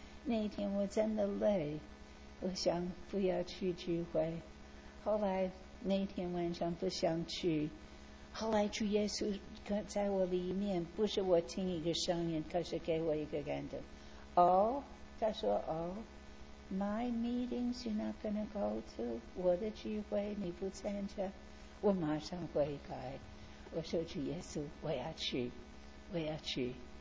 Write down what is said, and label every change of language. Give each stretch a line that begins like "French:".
Chinese: 那天我真的累， 我想不要去聚会。后来那天晚上不想去， 后来主耶稣在我里面， 不是我听一个声音， 可是给我一个感动。他说，
English: My meetings you're not going to go to?
Chinese: 我的聚会你不参加？我马上悔改， 我说主耶稣， 我要去， 我要去。